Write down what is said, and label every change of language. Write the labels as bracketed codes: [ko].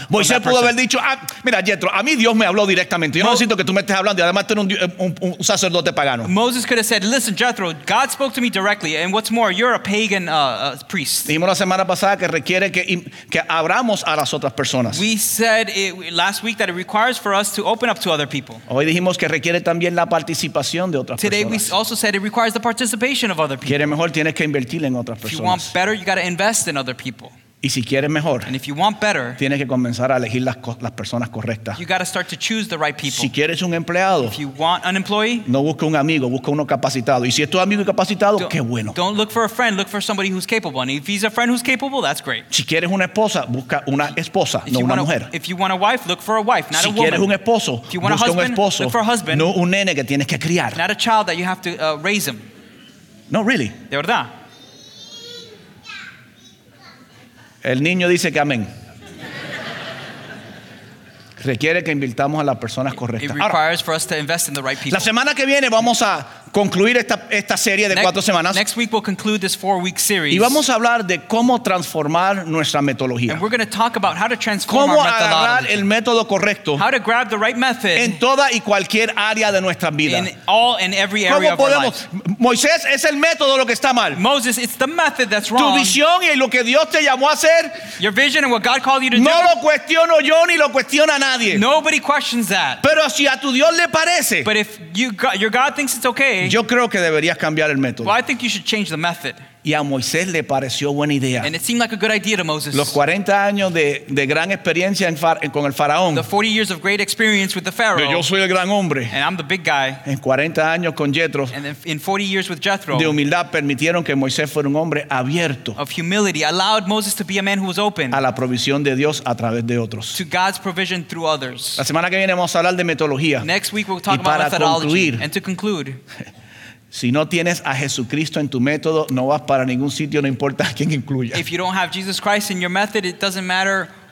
[es] Moisés pudo haber dicho, ah, mira, Jethro, a mí Dios me habló directamente. Yo no siento que tú me estés hablando. Y además tengo un sacerdote pagano. [en] Moses could have said, listen, Jethro, God spoke to me directly. And what's more, you're a pagan priest. [es] Dijimos la semana pasada que requiere que abramos a las otras personas. [en] We said last week that it requires for us to open up to other people. [es] Hoy dijimos que requiere también la participación de otras [en] today [es] personas. [en] Today we also said it requires the participation of other people. [es] Quieres mejor, tienes que invertir en otras [en] if [es] personas. [en] If you want better, you got to invest in other people. [es] Y si quieres mejor, [en] and if you want better, [es] tienes que comenzar a elegir las personas correctas. [en] You got to start to choose the right people. [es] Si quieres un empleado, [en] if you want an employee, [es] no busque un amigo, busque uno capacitado. Y si es tu amigo y capacitado, qué bueno. [en] Don't look for a friend, look for somebody who's capable. And if he's a friend who's capable, that's great. [es] Si quieres una esposa, busca una esposa, no una mujer. [en] If you want a wife, look for a wife, not a woman. [es] Si quieres un esposo, busca un esposo, [en] look for a husband, [es] no un nene que tienes que criar. [en] Not a child that you have to raise him. No, really. [es] De verdad. El niño dice que amén. Requiere que invirtamos a las personas correctas. [en] It requires for us to invest in the right people. [es] La semana que viene vamos a concluir esta serie de cuatro semanas. [en] Next week we'll conclude this 4-week series. [es] Y vamos a hablar de cómo transformar nuestra metodología. [en] And we're going to talk about how to transform our methodology. [es] Cómo agarrar el método correcto. [en] How to grab the right method. [es] En toda y cualquier área de nuestra vida. [en] In all and every area of our lives. [es] ¿Cómo podemos? Moisés, es el método lo que está mal. [en] Moses, it's the method that's wrong. [es] Tu visión y lo que Dios te llamó a hacer. [en] Your vision and what God called you to [es] no [en] do. [es] No lo cuestiono yo ni lo cuestiona nadie. [en] Nobody questions that. [es] Pero si a tu Dios le parece. [en] But if your God thinks it's okay. [es] Yo creo que deberías cambiar el método. [en] Well, I think you should change the method. [es] Y a Moisés le pareció buena idea. [en] And it seemed like a good idea to Moses. [es] Los 40 años de gran experiencia con el faraón. [en] The 40 years of great experience with the Pharaoh. [es] Yo soy el gran hombre. [en] And I'm the big guy. [es] En 40 años con Jethro. [en] And in 40 years with Jethro. [es] De humildad permitieron que Moisés fuera un hombre abierto. [en] Of humility allowed Moses to be a man who was open. [es] A la provisión de Dios a través de otros. [en] To God's provision through others. [es] La semana que viene vamos a hablar de metodología. [en] Next week we'll talk about methodology. [es] Concluir, [en] and to conclude. [es] Si no tienes a Jesucristo en tu método, no vas para ningún sitio, no importa a quién incluya. [en] If you don't have Jesus Christ in your method, it doesn't matter.